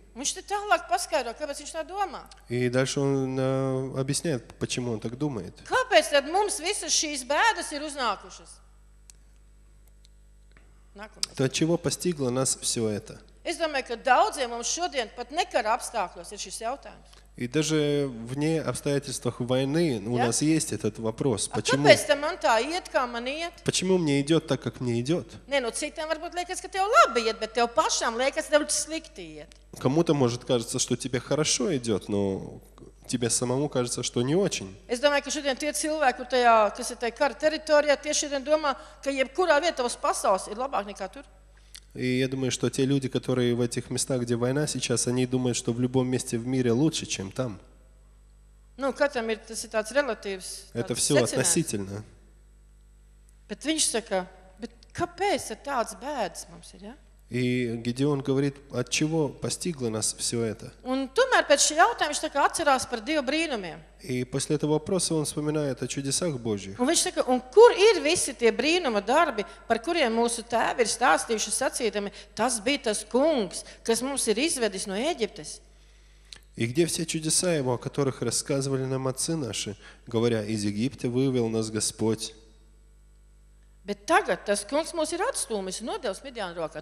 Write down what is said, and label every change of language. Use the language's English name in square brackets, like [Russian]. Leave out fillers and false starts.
[Latvian] Viņš te tālāk paskaidro, kāpēc viņš tā domā. [Russian] И дальше он объясняет, почему он так думает. [Latvian] Kāpēc tad mums visas šīs bēdas ir uznākušas? Nākamais. [Russian] То чего постигло нас все это? [Latvian] Es domāju, ka daudziem mums šodien pat nekara apstākļos ir šis jautājums. [Russian] И даже вне обстоятельств войны у нас есть этот вопрос, почему? [Latvian] Kāpēc tam man tā iet, kā man iet? [Russian] Почему мне идёт так, как мне идёт? [Latvian] Не, ну citiem varbūt liekas, ka tev labi iet, bet tev pašam liekas, ka tev slikti iet. [Russian] Кому-то может кажется, что тебе хорошо идёт, но тебе самому кажется, что не очень. [Latvian] Es domāju, ka šodien tie cilvēki, kas ir tajā kara teritorijā, tieši šodien domā, ka jebkurā vietā uz pasaules ir labāk nekā tur. [Russian] И я думаю, что те люди, которые в этих местах, где война сейчас, они думают, что в любом месте в мире лучше, чем там. Ну, как там, это ситуация релативс. Это все относительно. [Latvian] Bet viņš saka, bet kāpēc ir tāds bēdas mums ir, ja? [Russian] И Гедеон говорит, от чего постигло нас все это? [Latvian] Un tomēr pēc šī jautājuma viņš tikai atcerās par divu brīnumiem. [Russian] И после этого вопроса он вспоминает о чудесах Божьих. [Latvian] Un viņš saka, un kur ir visi tie brīnuma darbi, par kuriem mūsu tēvi ir stāstījuši sacītami, tas bija tas kungs, kas mums ir izvedis no Ēģiptes. [Russian] И где все чудеса его, о которых рассказывали нам отцы наши, говоря, из Египта вывел нас Господь? [Latvian] Bet tagad tas kungs mūs ir atstūmis un nodevs Midiāna rokā.